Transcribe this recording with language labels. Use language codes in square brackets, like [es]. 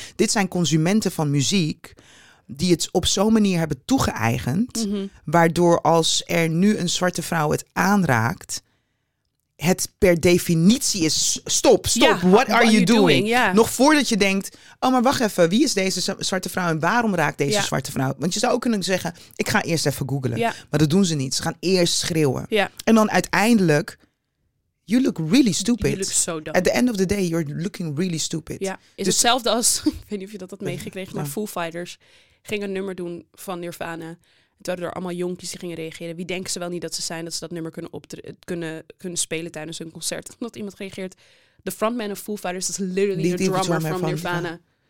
[nl] Dit zijn consumenten van muziek die het op zo'n manier hebben toegeëigend, waardoor als er nu een zwarte vrouw het aanraakt, het per definitie is stop, [en] what are you doing? Yeah. [nl] Nog voordat je denkt, oh maar wacht even, wie is deze zwarte vrouw en waarom raakt deze zwarte vrouw? Want je zou ook kunnen zeggen, ik ga eerst even googlen. [en] Yeah. [nl] Maar dat doen ze niet, ze gaan eerst schreeuwen. [en] Yeah. [nl] En dan uiteindelijk, [en] you look really stupid. You look so dumb. At the end of the day, you're looking really stupid. [nl] Ja, is dus hetzelfde als, ik weet niet of je dat had meegekregen, maar Foo Fighters ging een nummer doen van Nirvana. Het waren er allemaal jonkies die gingen reageren. Wie denken ze wel niet dat ze zijn, dat ze dat nummer kunnen spelen tijdens hun concert? Omdat iemand reageert, [en] the frontman of Foo Fighters is literally the drummer from Nirvana.